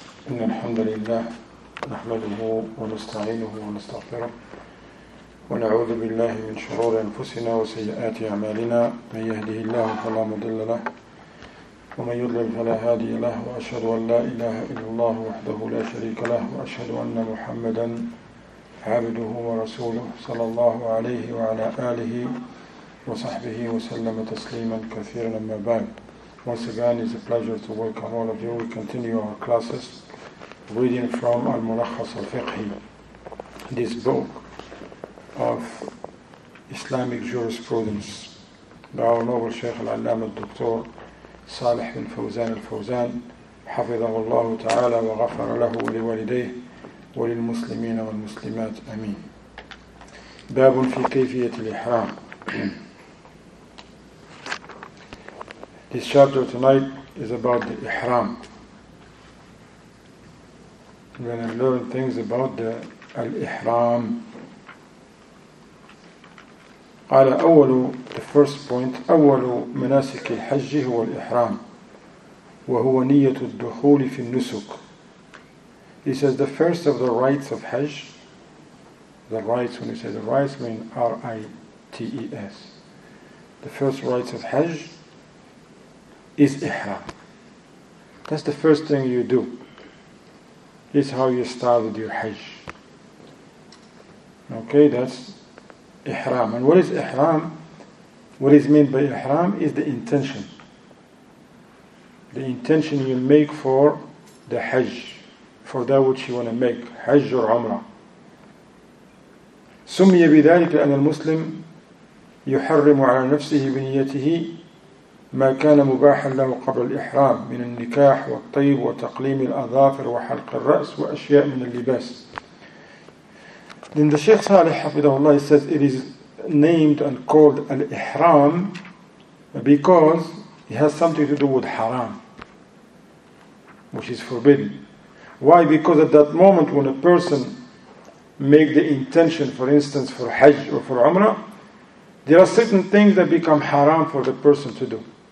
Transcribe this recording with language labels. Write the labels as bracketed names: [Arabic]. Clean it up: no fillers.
[Arabic] إن الحمد لله نحمده ونستعينه ونستغفره ونعوذ بالله من شرور أنفسنا وسيئات أعمالنا، من يهده الله فلا مضل له ومن يضلل فلا هادي له، وأشهد أن لا إله إلا الله وحده لا شريك له، وأشهد أن محمدا عبده ورسوله صلى الله عليه وعلى آله وصحبه وسلم تسليما كثيرا. أما بعد، [English] once again it's a pleasure to welcome all of you. We continue our classes reading from Al-Murakhas Al-Fiqhi, this book of Islamic jurisprudence by our noble Shaykh Al-Allama Dr. [Arabic] Salih bin Fawzan Al-Fawzan, حفظه الله تعالى وغفر له ولوالديه وللمسلمين والمسلمات أمين. باب في كيفية الإحرام. [English] This chapter tonight is about the Ihram. We're going to learn things about the Al-Ihram. [Arabic] قال أول, [English] the first point, [Arabic] أول مناسك الحج هو الإحرام وهو نية الدخول في النسك. [English] He says the first of the rites of Hajj, the rites, when he says the rites, mean R-I-T-E-S. The first rites of Hajj is Ihram. That's the first thing you do. This is how you start with your Hajj. Okay, that's Ihram. And what is Ihram? What is meant by Ihram is the intention. The intention you make for the Hajj, for that which you want to make, Hajj or Umrah. [Arabic] سُمِّيَ بِذَلِكَ أَنَّ الْمُسْلِمِ يُحَرِّمُ عَلَى نَفْسِهِ بِنِيَّتِهِ ما كان مباحا له قبل الإحرام من النكاح والطيب وتقليم الأظافر وحلق الرأس وأشياء من اللباس. [English] Then the Shaykh Salih [Arabic] حفظه الله [English] says it is named and called Al-Ihram because it has something to do with haram, which is forbidden. Why? Because at that moment when a person make the intention, for instance, for Hajj or for Umrah, there are certain things that become haram for the person to do.